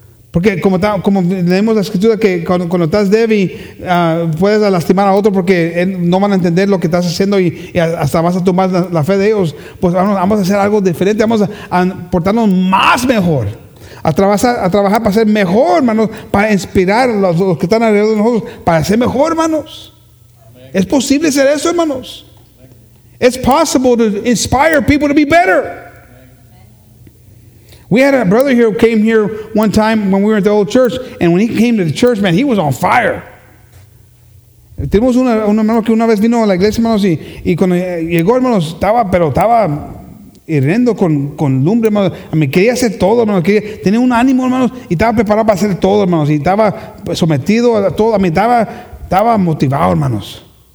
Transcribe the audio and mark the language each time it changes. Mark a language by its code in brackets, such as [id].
[es] Porque como leemos la escritura que cuando estás débil puedes lastimar a otro porque no van a entender lo que estás haciendo y hasta vas a tomar la fe de ellos. Pues vamos a hacer algo diferente, vamos a portarnos más mejor, a trabajar para ser mejor, hermanos, para inspirar a los que están alrededor de nosotros para ser mejor, hermanos. Amen. Es posible ser eso, hermanos. [en] It's possible to inspire people to be better. We had a brother here who came here one time when we were at the old church, and when he came to the church, man, he was on fire. [es] Tenemos un hermano que una vez vino a la iglesia, hermanos, y cuando llegó, hermanos, estaba hirviendo con lumbre, hermanos. Me quería hacer todo, hermanos. Tenía un ánimo, hermanos, y estaba preparado para hacer todo, hermanos. Y estaba sometido a todo. Estaba motivado, hermanos.